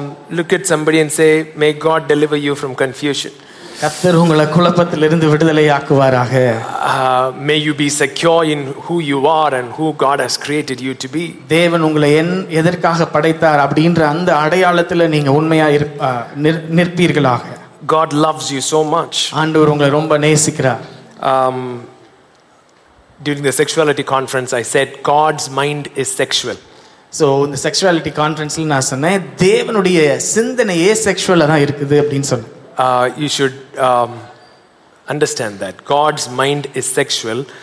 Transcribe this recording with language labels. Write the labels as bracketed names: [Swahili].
[English] Look at somebody and say, may God deliver you from confusion. [Tamil] கர்த்தர் உங்களை குழப்பத்திலிருந்து விடுதலை ஆக்குவாராக. [English] May you be secure in who you are and who God has created you to be. [Tamil] தேவன் உங்களை எதற்காக படைத்தார் அப்படின்ற அந்த அடையாளத்தில் நீங்க உண்மையா நிற்பீர்களாக. [English] God loves you so much. [Tamil] ஆண்டவர் உங்களை ரொம்ப நேசிக்கிறார். [English] During the sexuality conference I said God's mind is sexual. [Tamil] So இந்த செக்ஷுவாலிட்டி கான்ஃபரன்ஸில் நான் சொன்னேன் தேவனுடைய சிந்தனையே செக்ஷுவலாக தான் இருக்குது அப்படின்னு சொன்னேன். [English] You should understand that God's mind is sexual.